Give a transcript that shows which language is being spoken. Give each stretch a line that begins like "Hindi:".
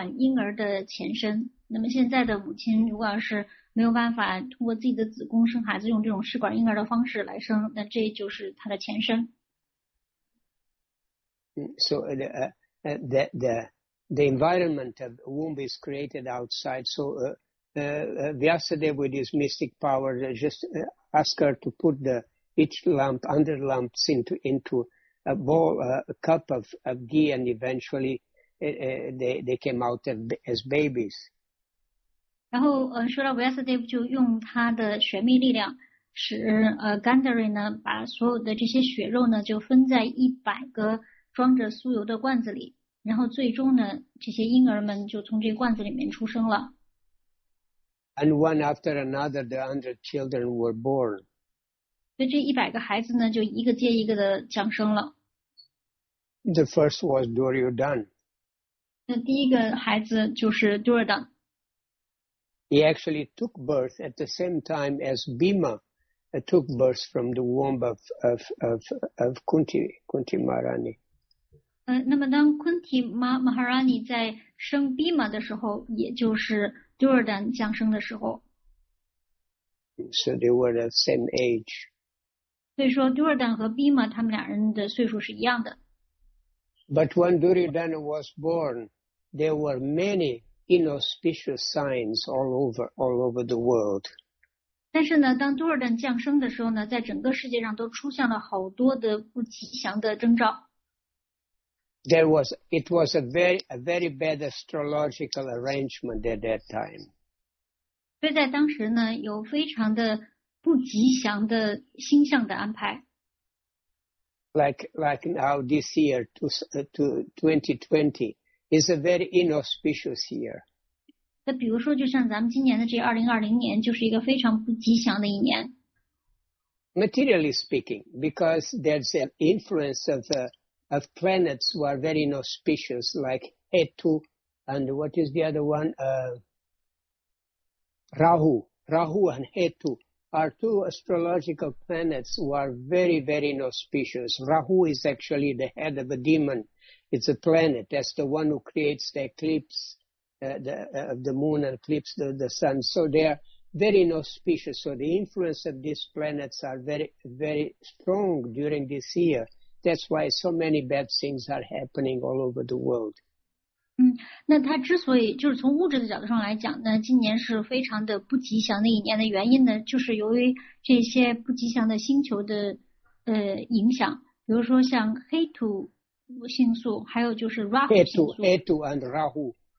Chinese: 那么实际上呢，这就是咱们现在比较流行的试管婴儿的前身。那么现在的母亲如果要是没有办法通过自己的子宫生孩子，用这种试管婴儿的方式来生，那这就是他的前身。
English: So the environment of the womb is created outside. So Vyasadeva with his mystic power just ask her to put each lump into a bowl, a cup of ghee, and eventually they came out as babies.
Chinese: 然后，Srila Vyasadeva就用他的玄秘力量，使Gandhari呢把所有的这些血肉呢就分在100个装着酥油的罐子里，然后最终呢这些婴儿们就从这罐子里面出生了。
English: And one after another, the 100 children were born.
Chinese: 所以这一百个孩子呢，就一个接一个的降生了。
English: The first was Duryodhan.
Chinese: 那第一个孩子就是 Duryodhan。
English: He actually took birth at the same time as Bhima took birth from the womb of Kunti Maharani.
Chinese: 那么当 Kunti Maharani 在生 Bhima 的时候，也就是 Duryodhan 降生的时候。
English: So they were the same age.
Chinese: 所以说 Duryodhan 和 Bhima 他们两人的岁数是一样的。
English: But when Duryodhana was born, there were many inauspicious signs all over the world.
Chinese: 但是呢，当 Duryodhana 降生的时候呢，在整个世界上都出现了好多的不吉祥的征兆。
English: It was a very bad astrological arrangement at that time.
Chinese: 所以在当时呢，有非常的不吉祥的星象的安排。
English: Like now this year, 2020, is a very inauspicious year.
Chinese: 那比如说，就像咱们今年的这2020年，就是一个非常不吉祥的一年。
English: Materially speaking, because there's an influence of planets who are very inauspicious, like Ketu, and what is the other one? Rahu. Rahu and Ketu. Are two astrological planets who are very, very inauspicious. Rahu is actually the head of a demon. It's a planet. That's the one who creates the eclipse of the moon and eclipse the sun. So they are very inauspicious. So the influence of these planets are very, very strong during this year. That's why so many bad things are happening all over the world.
Chinese: 那它之所以就是从物质的角度上来讲呢，今年是非常的不吉祥的一年的原因呢，就是由于这些不吉祥的星球的影响，比如说像黑土星宿，还有就是 Rahu 星宿。
English: Hetu and Rahu。